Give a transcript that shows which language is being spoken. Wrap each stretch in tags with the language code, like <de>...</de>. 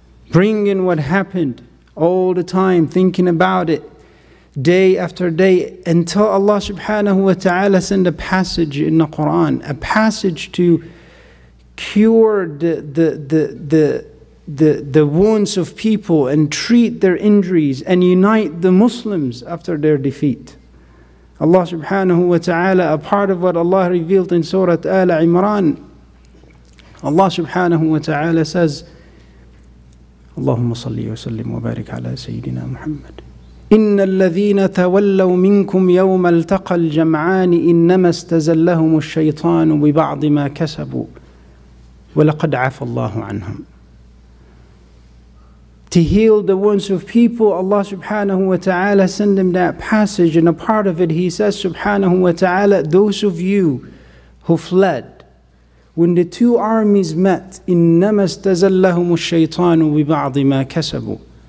<en>Bringing what happened all the time, thinking about it day after day, until Allah subhanahu wa ta'ala sent a passage in the Quran, a passage to cure the wounds of people and treat their injuries and unite the Muslims after their defeat. Allah subhanahu wa ta'ala, a part of what Allah revealed in Surah Al-Imran, Allah subhanahu wa ta'ala says,</en> <ar>اللهم صل وسلم وبارك على سيدنا محمد إن الذين تولوا منكم يوم التقى الجمعان إنما استزلهم الشيطان ببعض ما كسبوا وَلَقَدْ عَفَ اللَّهُ عَنْهُمْ.</ar> <en>To heal the wounds of people, Allah subhanahu wa ta'ala send him that passage, and a part of it he says, subhanahu wa ta'ala, those of you who fled, when the two armies met,</en> <ar>إِنَّمَا اسْتَزَلَّهُمُ الشَّيْطَانُ بِبَعْضِ مَا كَسَبُوا.</ar>